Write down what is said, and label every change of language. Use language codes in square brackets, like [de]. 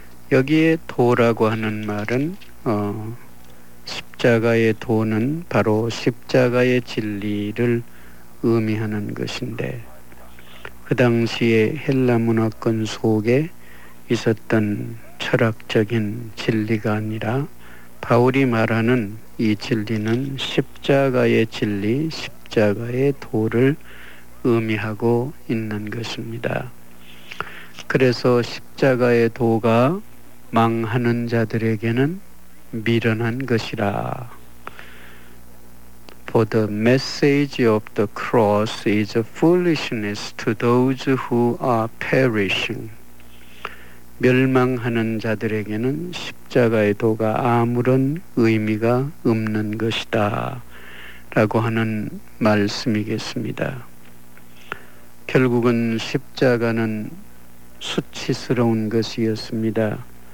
[ko] 여기에 도라고 하는 말은 십자가의 도는 바로 십자가의 진리를 의미하는 것인데 그 당시에 헬라 문화권 속에 있었던 철학적인 진리가 아니라 바울이 말하는 이 진리는 십자가의 진리, 십자가의 도를 의미하고 있는 것입니다. 그래서 십자가의 도가 망하는 자들에게는 미련한 것이라. [en] For the message of the cross is a foolishness to those who are perishing. [ko] 멸망하는 자들에게는 십자가의 도가 아무런 의미가 없는 것이다 라고 하는 말씀이겠습니다. 결국은 십자가는 수치스러운 것이었습니다.